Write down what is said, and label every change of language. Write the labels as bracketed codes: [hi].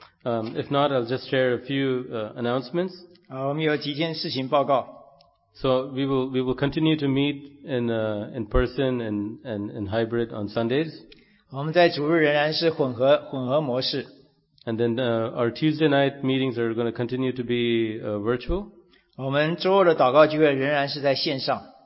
[en] If not, I'll just share a few announcements. [zh] 我们有几件事情报告。 [en] So we will continue to meet in person and hybrid on Sundays. [zh] 我们在主日仍然是混合模式。 [en] And then our Tuesday night meetings are going to continue to be virtual. [zh] 我们周二的祷告聚会仍然是在线上。